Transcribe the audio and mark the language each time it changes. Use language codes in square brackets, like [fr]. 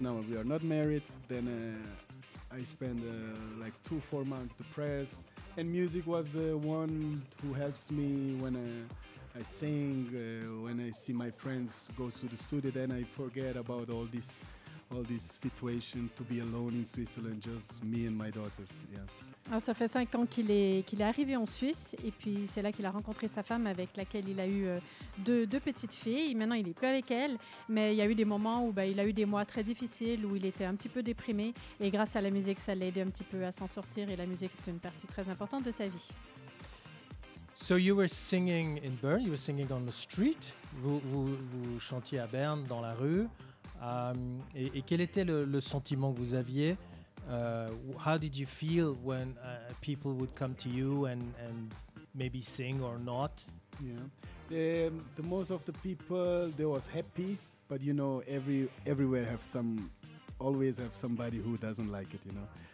[en] Now we are not married. Then. I spent like 2-4 months to press, and music was the one who helps me when I sing, when I see my friends go to the studio, then I forget about all this situation to be alone in Switzerland, just me and my daughters. Yeah. [fr] Alors, ça fait 5 ans qu'il est arrivé en Suisse, et puis c'est là qu'il a rencontré sa femme avec laquelle il a eu deux petites filles. Maintenant, il n'est plus avec elle, mais il y a eu des moments où il a eu des mois très difficiles, où il était un petit peu déprimé, et grâce à la musique, ça l'a aidé un petit peu à s'en sortir, et la musique est une partie très importante de sa vie. [en] So you were singing in Bern, you were singing on the street, [fr] vous chantiez à Berne dans la rue. Et quel était le sentiment que vous aviez? [en] How did you feel when people would come to you and maybe sing or not? Yeah, the most of the people they was happy, but you know everywhere always have somebody who doesn't like it, you know.